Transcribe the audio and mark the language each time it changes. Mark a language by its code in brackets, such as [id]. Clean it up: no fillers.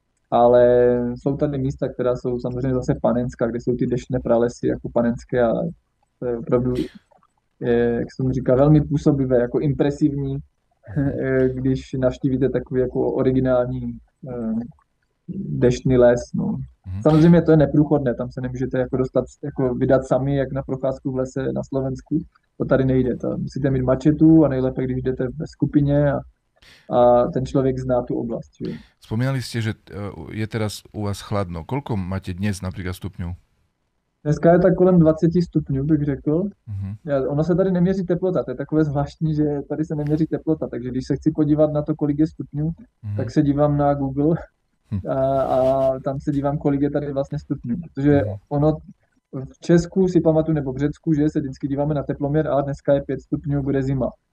[cs] Ale jsou tady místa, která jsou samozřejmě zase panenská, kde jsou ty deštné pralesy jako panenské a to je opravdu, jak jsem říkal, velmi působivé, jako impresivní, když navštívíte takový jako originální deštný les. No. Samozřejmě to je neprůchodné, tam se nemůžete jako dostat, jako vydat sami, jak na procházku v lese na Slovensku. To tady nejde. To musíte mít mačetu a nejlépe, když jdete ve skupině a ten člověk zná tu oblast. Že? [sk] Spomínali ste, že je teraz u vás chladno. Koľko máte dnes napríklad stupňov? [cs] Dneska je tak kolem 20 stupňů, bych řekl. Ono se tady neměří teplota, to je takové zvláštní, že tady se neměří teplota, takže když se chci podívat na to, kolik je stupňů, tak se dívám na Google a tam se dívám, kolik je tady vlastně stupňů. Protože ono v Česku si pamatuju, nebo v Řecku, že se vždycky díváme na teploměr a dneska je 5 stupňů, bude zima.